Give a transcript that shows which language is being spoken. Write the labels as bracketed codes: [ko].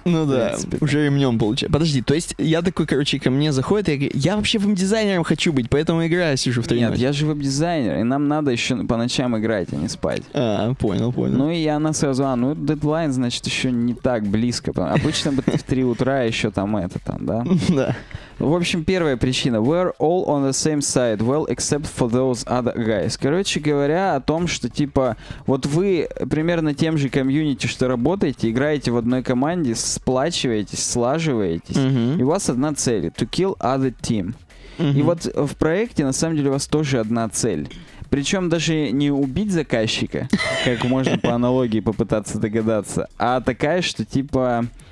[ru] Ну да, уже ремнем получается. Подожди, то есть я такой, короче, ко мне заходит, я говорю, я вообще веб-дизайнером хочу быть, поэтому играю, сижу в тренировке. Нет, я же веб-дизайнер, и нам надо еще по ночам играть, а не спать. А, понял, понял. Ну и она сразу, ну, дедлайн, значит, еще не так близко. Обычно бы ты в 3 утра еще там это там, да? Да. В общем, первая причина. [en] We're all on the same side. Well, except for those other guys. [ru] Короче говоря, о том, что типа, вот вы примерно тем же комьюнити, что работаете, играете в одной команде, сплачиваетесь, слаживаетесь, и у вас одна цель. [en] To kill other team. [ru] И вот в проекте, на самом деле, у вас тоже одна цель. Причем даже не убить заказчика, как можно по аналогии попытаться догадаться, а такая, что типа...